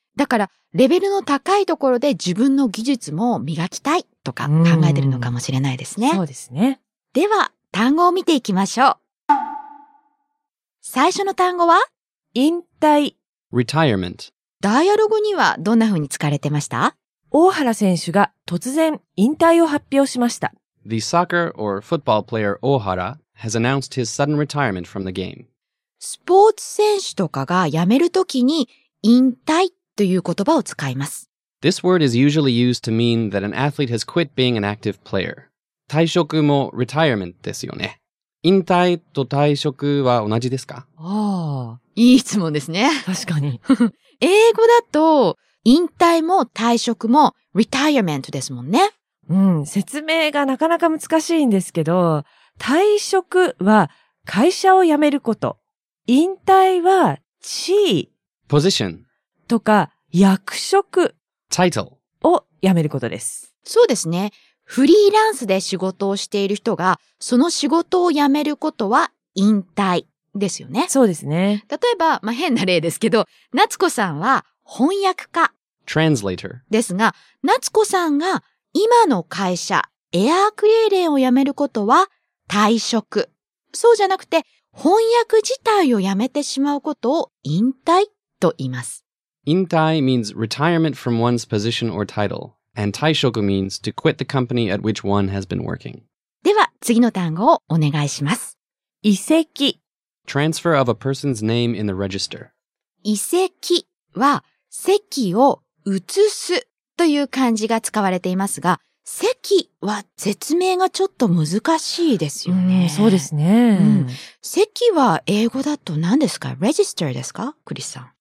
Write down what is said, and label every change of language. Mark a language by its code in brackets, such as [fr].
[ja] だからレベルの高いところで自分の技術も磨きたいとか考えてるのかもしれないですね。そうですね。では単語を見ていきましょう。最初の単語は引退。 [en] Retirement。 [ja] ダイアログにはどんな風に使われてました？大原選手が突然引退を発表しました。 [en] The soccer or football player 大原has announced his sudden retirement from the game. [ja] スポーツ選手とかが辞めるときに引退という言葉を使います。 [en] This word is usually used to mean that an athlete has quit being an active player. [ja] 退職も retirement ですよね。引退と退職は同じですか？ああ、いい質問ですね。確かに。英語だと引退も退職も retirement ですもんね。うん、説明がなかなか難しいんですけど、退職は会社を辞めること。引退は地位。 [en] position。 [ja] とか、役職。 [en] title。 [ja] を辞めることです。そうですね。フリーランスで仕事をしている人が、その仕事を辞めることは引退ですよね。そうですね。例えば、まあ、変な例ですけど、夏子さんは翻訳家。 [en] translator。 [ja] ですが、夏子さんが今の会社、エアークレーレンを辞めることは、退職。そうじゃなくて、翻訳自体を辞めてしまうことを引退と言います。 [en] 引退 means retirement from one's position or title, and 退職 means to quit the company at which one has been working. [ja] では、次の単語をお願いします。移籍。 [en] transfer of a person's name in the register. [ja] 移籍は、籍を移すという漢字が使われていますが、籍は説明がちょっと難しいですよね。うん、そうですね、うん。籍は英語だと何ですか？レジスターですか？クリスさん。